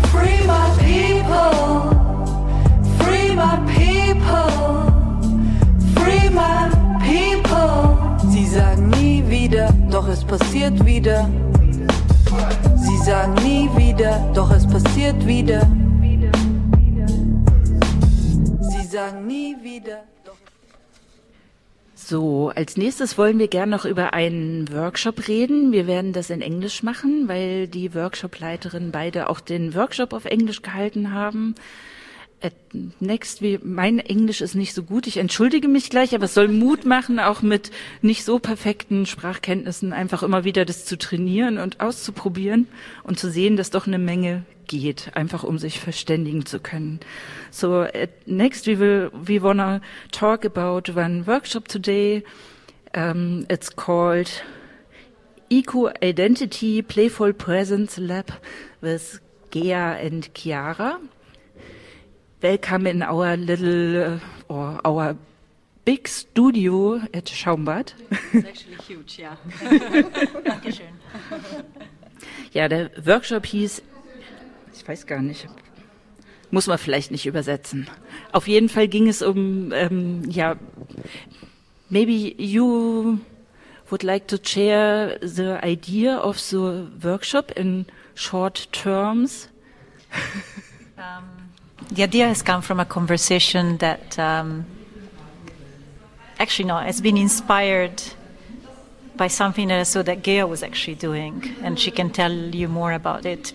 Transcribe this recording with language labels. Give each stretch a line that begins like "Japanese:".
English: Free my people, free my people, free my people.
German: Sie sagen nie wieder, doch es passiert wieder. Sie sagen nie wieder, doch es passiert wieder. So, als nächstes wollen wir gerne noch über einen Workshop reden. Wir werden das in Englisch machen, weil die Workshopleiterin beide auch den Workshop auf Englisch gehalten haben. Next, mein Englisch ist nicht so gut, ich entschuldige mich gleich, aber es soll Mut machen, auch mit nicht so perfekten Sprachkenntnissen einfach immer wieder das zu trainieren und auszuprobieren und zu sehen, dass doch eine Menge geht, einfach um sich verständigen zu können.
English: So, next, we wanna talk about one workshop today. It's called Eco Identity Playful Presence Lab with Gea and Chiara. Welcome in our little, or our big studio at Schaumbad. It's actually huge, yeah.
German: Dankeschön. Ja, der Workshop hieß, ich weiß gar nicht, muss man vielleicht nicht übersetzen. Auf jeden Fall ging es um, ja,
English: maybe you would like to share the idea of the workshop in short terms. The idea has come from a conversation that, has been inspired by something that I saw that Gea was actually doing, and she can tell you more about it.